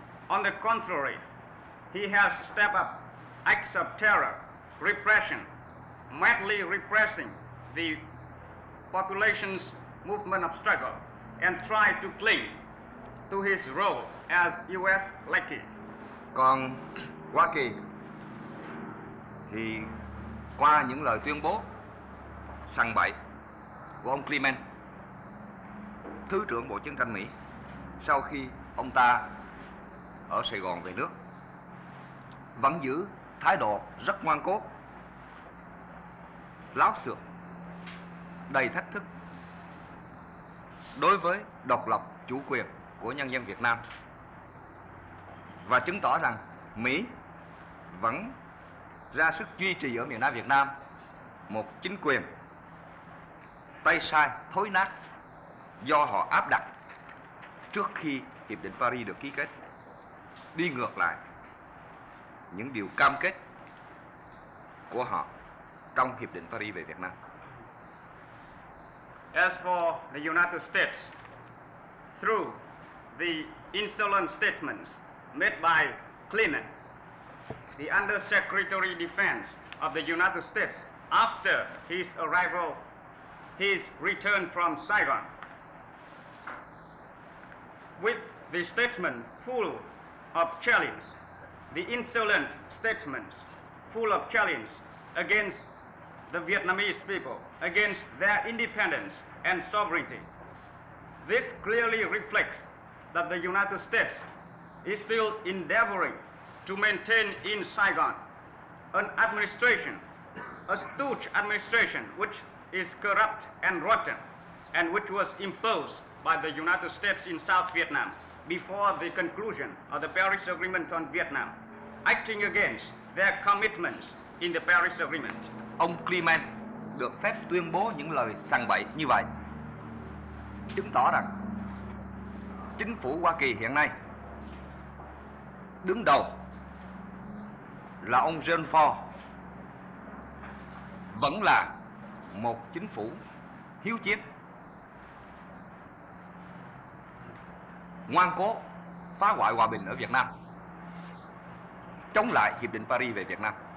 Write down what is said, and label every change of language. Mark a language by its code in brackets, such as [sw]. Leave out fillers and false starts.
[en] On the contrary, he has stepped up acts of terror, repression, madly repressing the population's movement of struggle, and tried to cling to his role as U.S. lackey. [vi] Còn Hoa Kỳ thì qua những lời tuyên bố sằng bậy của ông Clement, Thứ trưởng Bộ Chiến tranh Mỹ, sau khi ông ta ở Sài Gòn về nước, vẫn giữ thái độ rất ngoan cố, láo xược, đầy thách thức đối với độc lập chủ quyền của nhân dân Việt Nam, và chứng tỏ rằng Mỹ vẫn ra sức duy trì ở miền Nam Việt Nam một chính quyền tay sai thối nát do họ áp đặt trước khi Hiệp định Paris được ký kết, đi ngược lại những điều cam kết của họ trong Hiệp định Paris về Việt Nam. [en] As for the United States, through the insolent statements made by Clement, the Undersecretary of Defense of the United States, after his arrival, his return from Saigon, with the statement full of challenge, the insolent statements full of challenge against the Vietnamese people, against their independence and sovereignty. This clearly reflects that the United States is still endeavoring to maintain in Saigon an administration, a stooge administration, which is corrupt and rotten, and which was imposed by the United States in South Vietnam before the conclusion of the Paris Agreement on Vietnam, acting against their commitments in the Paris Agreement. [vi] Ông Clement được phép tuyên bố những lời sằng bậy như vậy, chứng tỏ rằng chính phủ Hoa Kỳ hiện nay đứng đầu là ông John Ford vẫn là một chính phủ hiếu chiến, ngoan cố phá hoại hòa bình ở Việt Nam, chống lại Hiệp định Paris về Việt Nam.